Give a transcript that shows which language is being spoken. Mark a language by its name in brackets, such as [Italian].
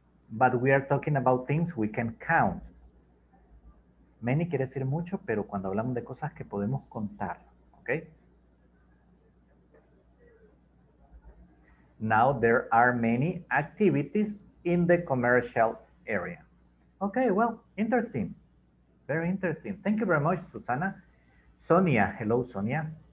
[English] But we are talking about things we can count. [Spanish] Many quiere decir mucho, pero cuando hablamos de cosas que podemos contar, okay? [English] Now there are many activities in the commercial area. Okay, well, interesting. Very interesting. Thank you very much, Susana. Sonia, hello, Sonia.